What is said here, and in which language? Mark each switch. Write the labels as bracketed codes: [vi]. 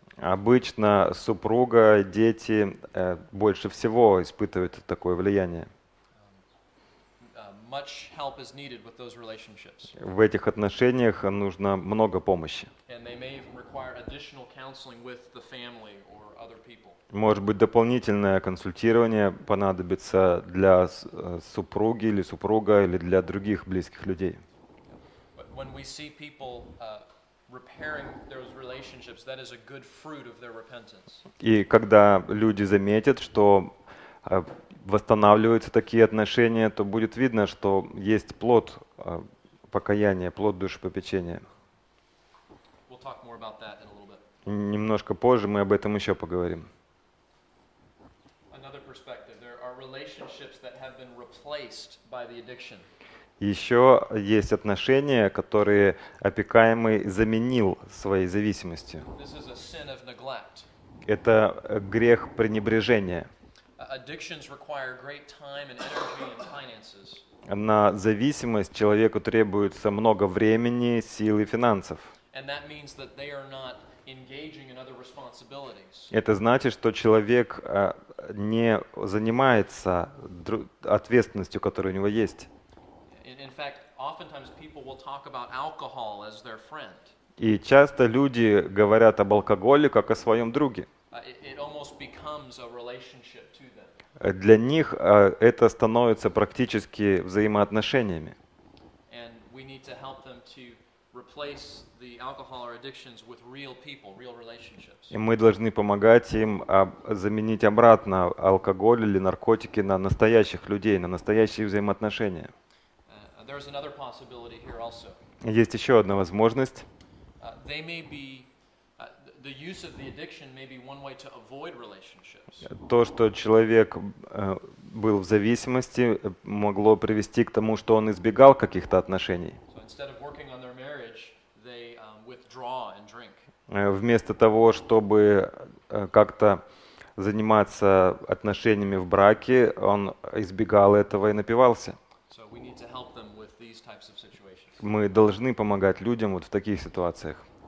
[ru] Обычно супруга, дети больше всего испытывают такое влияние. [en] Much help is needed with those relationships. [ru] В этих отношениях нужно много помощи. [en] And they may even require additional counseling with the family or other people. [ru] Может быть, дополнительное консультирование понадобится для супруги или супруга или для других близких людей. [en] When we see people repairing those relationships, that is a good fruit of their repentance. [ru] И когда люди заметят, что восстанавливаются такие отношения, то будет видно, что есть плод покаяния, плод душепопечения. [en] We'll talk more about that in a little bit. [ru] Немножко позже мы об этом еще поговорим. [en] Another perspective. There are relationships that have been replaced by the addiction. [ru] Еще есть отношения, которые опекаемый заменил своей зависимостью. [en] This is a sin of neglect. [ru] Это грех пренебрежения. [en] Addictions require great time and energy and finances. [ru] На зависимость человеку требуется много времени, сил и финансов. [en] And that means that they are not engaging in other responsibilities. [ru] Это значит, что человек не занимается ответственностью, которая у него есть. [en] In fact, oftentimes people will talk about alcohol as their friend. [ru] И часто люди говорят об алкоголе как о своем друге. [en] It almost becomes a relationship to them. [ru] Для них это становится практически взаимоотношениями. [en] And we need to help them to replace the alcohol or addictions with real people, real relationships. [ru] И мы должны помогать им заменить обратно алкоголь или наркотики на настоящих людей, на настоящие взаимоотношения. [en] There's another possibility here also. [ru] Есть еще одна возможность. [en] They may be the use of the addiction may be one way to avoid relationships. [ru] То, что человек был в зависимости, могло привести к тому, что он избегал каких-то отношений. [en] So instead of working on their marriage, they withdraw and drink. [ru] Вместо того, чтобы как-то заниматься отношениями в браке, он избегал этого и напивался. [en] So we need to help them with these types of situations. [ru] Мы должны помогать людям вот в таких ситуациях.